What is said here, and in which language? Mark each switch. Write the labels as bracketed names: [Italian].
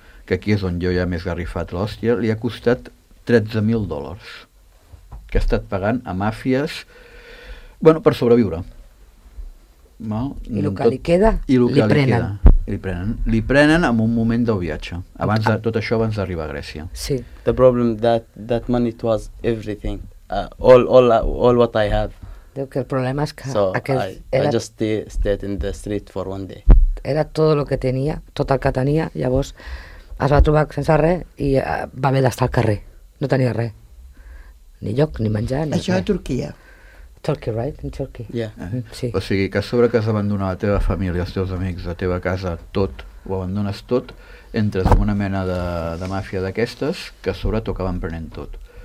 [Catalan] que aquí és on jo ja m'he esgarrifat l'hòstia, li ha costat 13.000 dòlars que ha estat pagant a màfies, bueno, per sobreviure. Val? I el que li queda, li prenen en un moment del viatge, abans de tot això, abans d'arribar a Grècia. Sí. [English] The problem that money was everything. All what I had. [Catalan] Diu que el problema és que [English] I just stayed in the street for one day. [Catalan] Era tot el que tenia, tot el que tenia, llavors es va trobar sense res i va haver d'estar al carrer. No tenia res. Ni lloc, ni menjar, ni això res. A Turquia. [English] Turkey, right? In Turkey. Yeah. [Catalan] Sí. O sigui, que a sobre que has d'abandonar la teva família, els teus amics, la teva casa, tot, ho abandones tot, entres en una mena de màfia d'aquestes que a sobre t'acaben prenent tot.